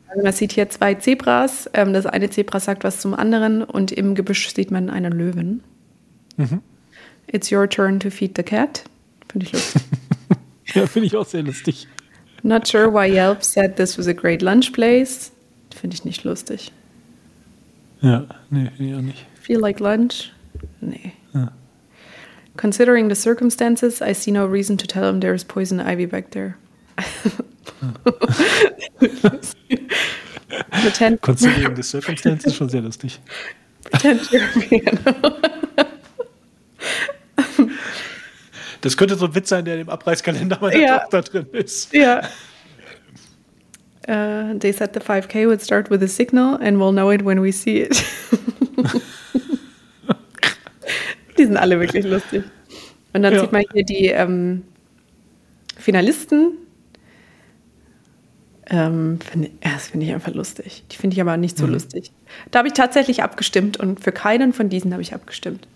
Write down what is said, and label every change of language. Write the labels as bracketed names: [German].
[German] Also man sieht hier zwei Zebras. Das eine Zebra sagt was zum anderen und im Gebüsch sieht man einen Löwen. Mhm. [English] It's your turn to feed the cat. [German] Finde ich lustig. Ja, finde ich auch sehr lustig. [English] Not sure why Yelp said this was a great lunch place. [German] Finde ich nicht lustig. Ja, nee, finde ich auch nicht. [English] Feel like lunch? Nee. Considering the circumstances, I see no reason to tell him there is poison ivy back there. Considering the circumstances, [German] schon sehr lustig. Das könnte so ein Witz sein, der in dem Abreißkalender meiner Tochter drin ist. [English] Yeah. They said the 5K would start with a signal and we'll know it when we see it. [German] Die sind alle wirklich lustig. Und dann sieht man hier die Finalisten. Das finde ich einfach lustig. Die finde ich aber nicht so lustig. Da habe ich tatsächlich abgestimmt und für keinen von diesen habe ich abgestimmt.